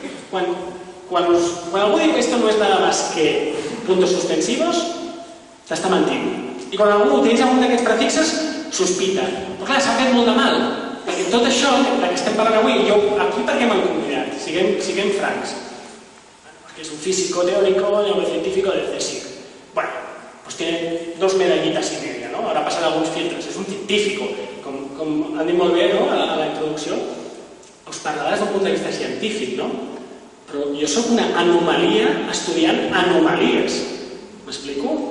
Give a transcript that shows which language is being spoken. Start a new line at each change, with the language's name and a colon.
Catalan: Quan algú diu que esto no és
Spanish: nada más que puntos suspensivos,
Catalan: t'està mentint. I quan algú utilitza un d'aquests prefixes, sospita. Però clar, s'ha fet molt de mal. Perquè tot això, del que estem parlant avui, jo aquí per què m'han convidat? Siguem francs. Que és un
Spanish: físico teórico
Catalan: i un científico del CSIC.
Spanish: Bueno, pues tiene 2 medallitas y media, no?
Catalan: Ara passen alguns filtres. És un científico. Com han dit molt bé, no? A la introducció, us parlaràs d'un punt de vista científic, no? Però jo sóc una anomalia estudiant anomalies. M'explico?